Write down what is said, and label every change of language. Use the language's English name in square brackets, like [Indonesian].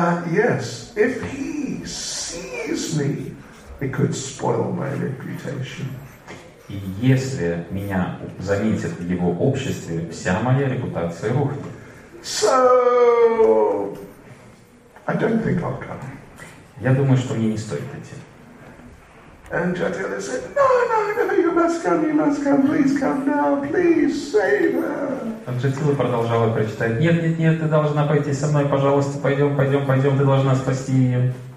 [English] Yes, if he sees me, it could spoil my reputation. [Russian] И если меня заметит в его обществе, вся моя репутация рухнет. [English] So, I don't think I'll come. [Russian] Я думаю, что мне не стоит идти. [English] And Jatila said, no, you must come, please come now, please save her. [Russian] Джатила продолжала прочитать, нет, ты должна пойти со мной, пожалуйста, пойдем, ты должна спасти ее.